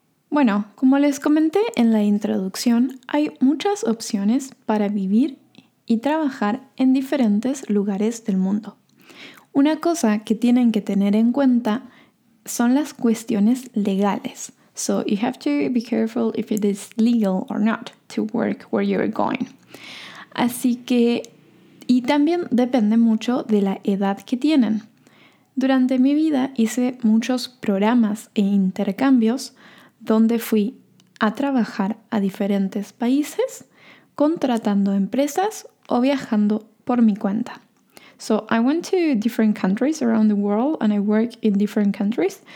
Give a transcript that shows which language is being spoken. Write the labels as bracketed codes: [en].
[es] Bueno, como les comenté en la introducción, hay muchas opciones para vivir y trabajar en diferentes lugares del mundo. Una cosa que tienen que tener en cuenta son las cuestiones legales. [en] So you have to be careful if it is legal or not to work where you're going. [es] Así que, y también depende mucho de la edad que tienen. Durante mi vida hice muchos programas e intercambios donde fui a trabajar a diferentes países, contratando empresas o viajando por mi cuenta. [en] So I went to different countries around the world and I work in different countries.